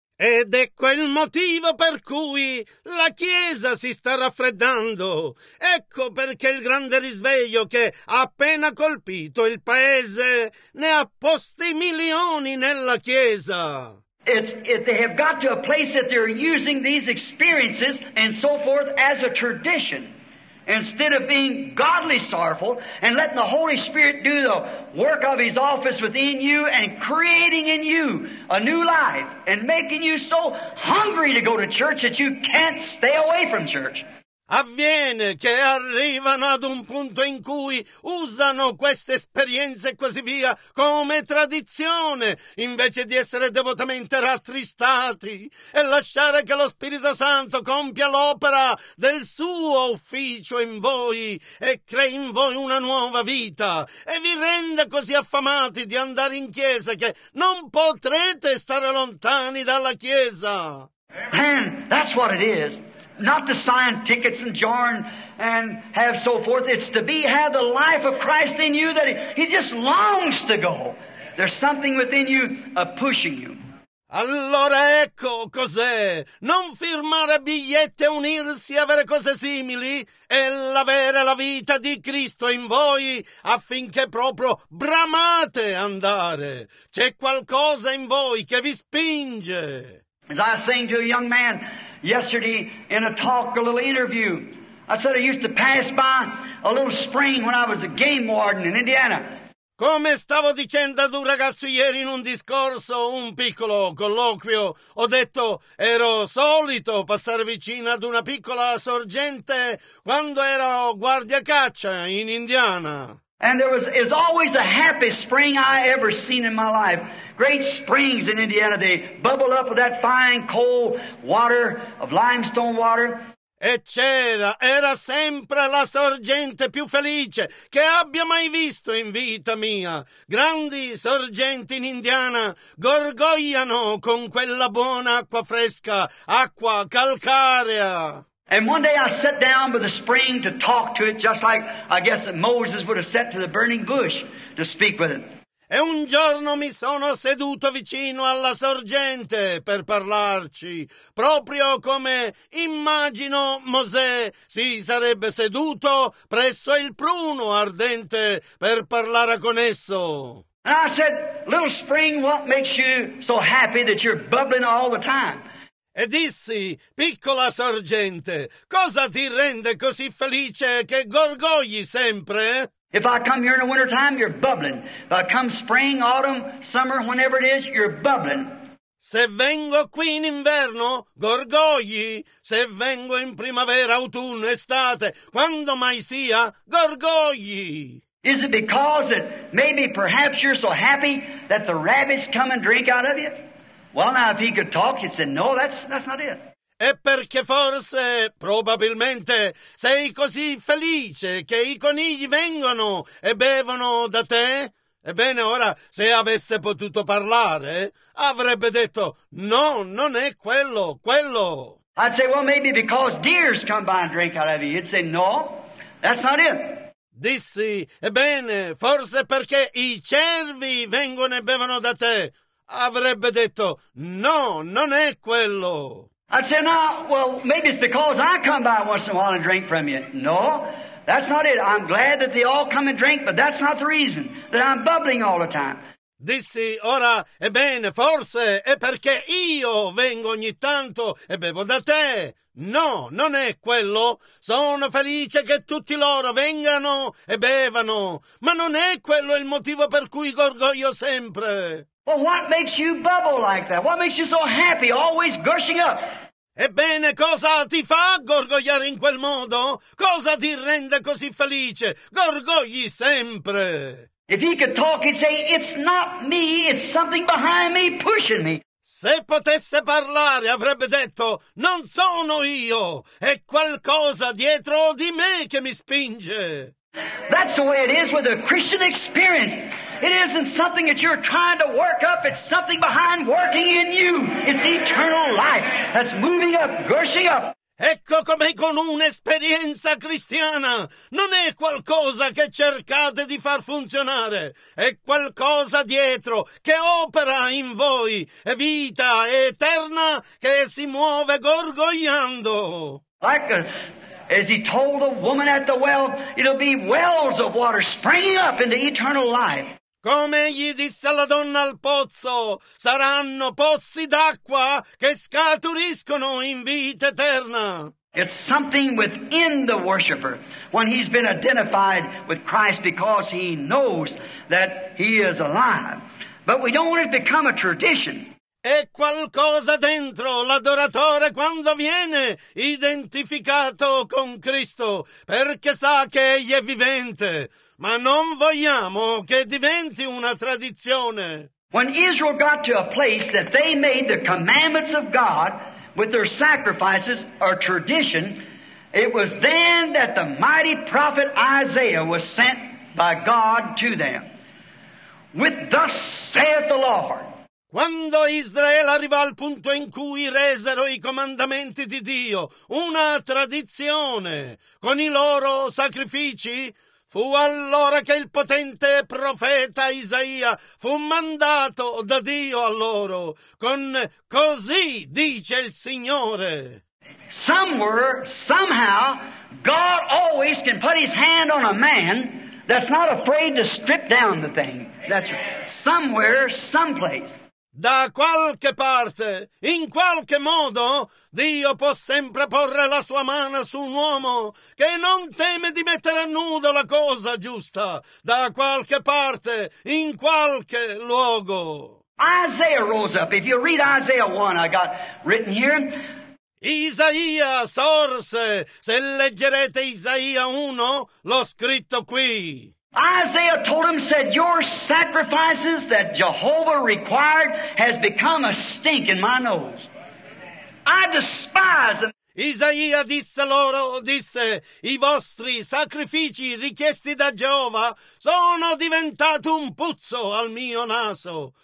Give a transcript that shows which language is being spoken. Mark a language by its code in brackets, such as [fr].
[it] Ed ecco il motivo per cui la Chiesa si sta raffreddando. Ecco perché il grande risveglio che ha appena colpito il paese ne ha posti milioni nella Chiesa. [en] They have got to a place that they're using these experiences and so forth as a tradition instead of being godly sorrowful and letting the Holy Spirit do the work of His office within you and creating in you a new life and making you so hungry to go to church that you can't stay away from church. [it] Avviene che arrivano ad un punto in cui usano queste esperienze e così via come tradizione, invece di essere devotamente rattristati e lasciare che lo Spirito Santo compia l'opera del suo ufficio in voi e crei in voi una nuova vita e vi renda così affamati di andare in chiesa che non potrete stare lontani dalla chiesa. [en] And that's what it is. Not to sign tickets and join and have so forth. It's to be, have the life of Christ in you that he just longs to go. There's something within you pushing you. [it] Allora ecco cos'è. Non firmare bigliette, unirsi, avere cose simili. È l'avere la vita di Cristo in voi affinché proprio bramate andare. C'è qualcosa in voi che vi spinge. [en] As I was saying to a young man yesterday in a talk, a little interview, I said I used to pass by a little spring when I was a game warden in Indiana. [it] Come stavo dicendo ad un ragazzo ieri in un discorso, un piccolo colloquio, ho detto ero solito passare vicino ad una piccola sorgente quando ero guardia caccia in Indiana. [en] And there was is always the happiest spring I ever seen in my life. Great springs in Indiana, they bubble up with that fine cold water of limestone water. [it] E c'era, era sempre la sorgente più felice che abbia mai visto in vita mia. Grandi sorgenti in Indiana gorgogliano con quella buona acqua fresca, acqua calcarea. [en] And one day I sat down by the spring to talk to it, just like I guess that Moses would have sat to the burning bush to speak with it. [it] E un giorno mi sono seduto vicino alla sorgente per parlarci, proprio come immagino Mosè si sarebbe seduto presso il pruno ardente per parlare con esso. [en] And I said, little spring, what makes you so happy that you're bubbling all the time? [it] E dissi, piccola sorgente, cosa ti rende così felice che gorgogli sempre? [en] If I come here in the winter time, you're bubbling. If I come spring, autumn, summer, whenever it is, you're bubbling. [it] Se vengo qui in inverno, gorgogli. Se vengo in primavera, autunno, estate, quando mai sia, gorgogli. [en] Is it because that maybe perhaps you're so happy that the rabbits come and drink out of you? Well, now, if he could talk, he'd say, no, that's not it. [it] E perché forse, probabilmente, sei così felice che i conigli vengono e bevono da te? Ebbene, ora, se avesse potuto parlare, avrebbe detto, no, non è quello, quello. [en] I'd say, well, maybe because deers come by and drink out of you. He'd say, no, that's not it. [it] Dissi, ebbene, forse perché i cervi vengono e bevono da te? Avrebbe detto, no, non è quello. [en] I'd say, no, well, maybe it's because I come by once in a while and drink from you. No, that's not it. I'm glad that they all come and drink, but that's not the reason that I'm bubbling all the time. [it] Dissi, ora, ebbene, forse è perché io vengo ogni tanto e bevo da te. No, non è quello. Sono felice che tutti loro vengano e bevano, ma non è quello il motivo per cui gorgoglio sempre. [en] Well, what makes you bubble like that? What makes you so happy, always gushing up? [it] Ebbene, cosa ti fa gorgogliare in quel modo? Cosa ti rende così felice? Gorgogli sempre! [en] If he could talk, he'd say, it's not me, it's something behind me, pushing me. [it] Se potesse parlare, avrebbe detto, non sono io, è qualcosa dietro di me che mi spinge. [en] That's the way it is with a Christian experience. It isn't something that you're trying to work up. It's something behind working in you. It's eternal life that's moving up, gushing up. [it] Ecco come con un'esperienza cristiana non è qualcosa che cercate di far funzionare, è qualcosa dietro che opera in voi, è vita eterna che si muove gorgogliando. [en] Like as he told the woman at the well, it'll be wells of water springing up into eternal life. [it] Come gli disse alla donna al pozzo, saranno pozzi d'acqua che scaturiscono in vita eterna. [en] It's something within the worshipper when he's been identified with Christ because he knows that he is alive. But we don't want it to become a tradition. [it] È qualcosa dentro l'adoratore quando viene identificato con Cristo perché sa che egli è vivente. Ma non vogliamo che diventi una tradizione. [en] When Israel got to a place that they made the commandments of God with their sacrifices or tradition, it was then that the mighty prophet Isaiah was sent by God to them. With thus saith the Lord. [it] Quando Israele arrivò al punto in cui resero i comandamenti di Dio una tradizione con i loro sacrifici, fu allora che il potente profeta Isaia fu mandato da Dio a loro con così dice il Signore. [en] Somewhere, somehow, God always can put his hand on a man that's not afraid to strip down the thing. That's right. Somewhere, someplace. [it] Da qualche parte, in qualche modo, Dio può sempre porre la sua mano su un uomo che non teme di mettere a nudo la cosa giusta. Da qualche parte, in qualche luogo. [en] Isaiah rose up. If you read Isaiah 1, I got written here. [it] Isaia sorse. Se leggerete Isaia 1, l'ho scritto qui. [en] Isaiah told him, said, your sacrifices that Jehovah required has become a stink in my nose. I despise them. [it] Isaia disse loro, disse, i vostri sacrifici richiesti da Geova sono diventati un puzzo al mio naso.